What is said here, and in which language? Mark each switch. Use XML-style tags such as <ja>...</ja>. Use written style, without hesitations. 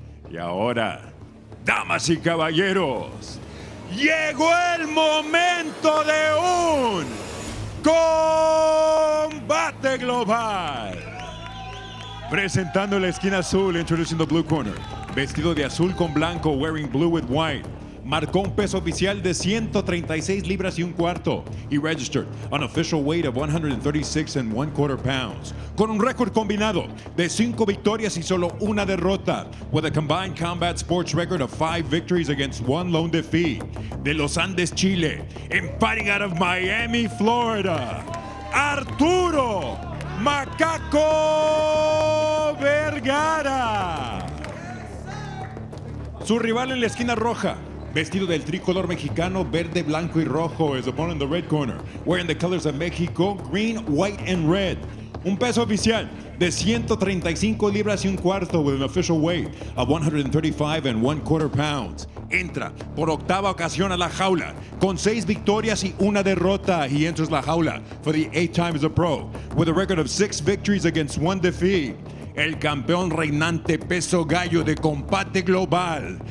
<es>Y ahora, damas y caballeros, llegó el momento de un combate global. Presentando la esquina azul,</es> <en>introducing the blue corner.</en> <es>Vestido de azul con blanco,</es> <en>wearing blue with white.</en> <es>Marcó un peso oficial de 136 libras y un cuarto.</es> <en>He registered an official weight of 136 and one quarter pounds.</en> <es>Con un récord combinado de 5 victorias y solo una derrota.</es> <en>With a combined combat sports record of 5 victories against 1 lone defeat. De Los Andes, Chile, and fighting out of Miami, Florida, Arturo Macaco Vergara.</en> <es>Su rival en la esquina roja, vestido del tricolor mexicano, verde, blanco y rojo,</es> <en>is the opponent in the red corner, wearing the colors of Mexico, green, white, and red.</en> <es>Un peso oficial de 135 libras y un cuarto</es> <en>with an official weight of 135 and one quarter pounds.</en> <es>Entra por octava ocasión a la jaula con 6 victorias y una derrota.</es> <en>He enters</en> <es>la jaula</es> <en>for the 8th time as a pro with a record of 6 victories against 1 defeat.</en> <es>El campeón reinante peso gallo de combate global.</es>